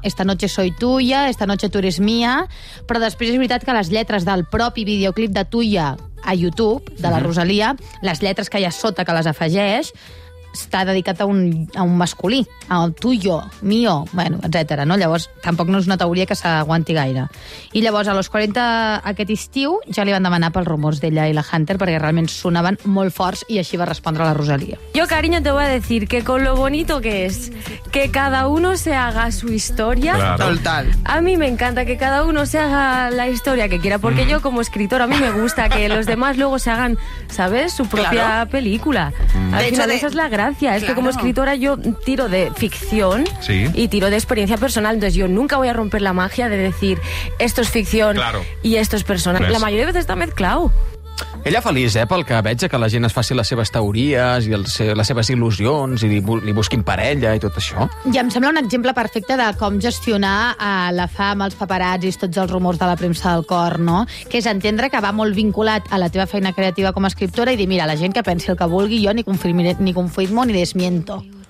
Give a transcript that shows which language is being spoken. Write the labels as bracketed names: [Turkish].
[Spanish] Esta noche soy tuya, esta noche tú eres mía, [Catalan] però després és veritat que les lletres del propi videoclip de Tuya a YouTube, de la Rosalía, les lletres que hi ha sota que les afegeix, està dedicat a un masculí, a un tuyo, mío, bueno, etcètera, no? Llavors, tampoc no és una teoria que s'aguanti gaire. I llavors, a los 40 aquest estiu, ja li van demanar pels rumors d'ella i la Hunter, perquè realment sonaven molt forts, i així va respondre la Rosalía. [Spanish] Yo, cariño, te voy a decir que con lo bonito que es que cada uno se haga su historia... Claro. Total. A mí me encanta que cada uno se haga la historia que quiera, porque yo, como escritor, a mí me gusta que los demás luego se hagan, ¿sabes?, su propia película. Al de final, esa es la gracia. Claro. Es que como escritora yo tiro de ficción y tiro de experiencia personal, entonces yo nunca voy a romper la magia de decir esto es ficción y esto es personal. Pues. La mayoría de veces está mezclado. [Catalan] Ella feliç, pel que veig, que la gent es faci les seves teories i les seves il·lusions i li busquin parella i tot això. I em sembla un exemple perfecte de com gestionar la fama, els paparazzis, tots els rumors de la premsa del cor, no? Que és entendre que va molt vinculat a la teva feina creativa com a escriptora i dir, mira, la gent que pensi el que vulgui, jo ni confirmo ni desmiento.